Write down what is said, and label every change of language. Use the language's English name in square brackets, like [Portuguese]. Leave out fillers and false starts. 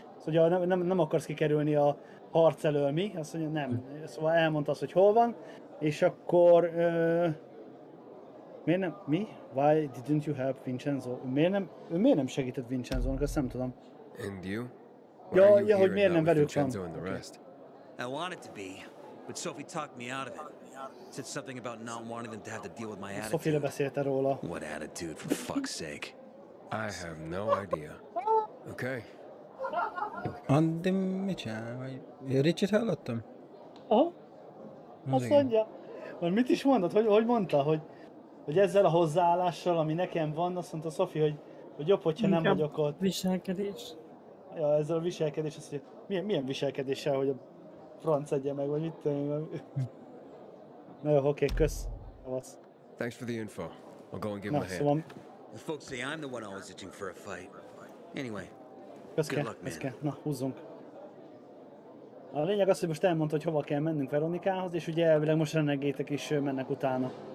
[Hungarian] Szóval nem akarsz kikerülni a harc elől, mi? Azt mondja, nem. Szóval elmondta azt, hogy hol van, és akkor... miért nem? Mi? [English] Why didn't you help Vincenzo? [Hungarian] Miért nem segített Vincenzo-nak? Azt nem tudom. [English] And you? [Hungarian] Ja, ja, hogy miért nem velük van. [English] I wanted to be, but Sophie talked me out of it. Said something about not wanting them to have to deal with my attitude. [Hungarian] Sophie beszélte róla. [English] What attitude, for fuck's sake. I have no idea. Okay. [Hungarian] Andy Mitchell, vagy Richard hallottam? Aha. Azt mondja. Vagy mit is mondott? Hogy mondta? Hogy ezzel a hozzáállással, ami nekem van, azt mondta Sophie, hogy jobb, hogyha nem vagyok ott. Viselkedés. Ja, ezzel a viselkedés, azt mondja, milyen viselkedéssel, hogy a franc egye meg, vagy mit tudom én. Na jó, oké, kösz. Javasz. [English] Thanks for the info. I'll go and give my [Hungarian] szóval... [English] hand. The folks say I'm the one always itching for a fight. Anyway, [Hungarian] köszke, [English] good luck, man. [Hungarian] Köszke. Na, húzzunk. A lényeg az, hogy most elmondta, hogy hova kell mennünk Veronikához, és ugye elvileg most renegétek is mennek utána.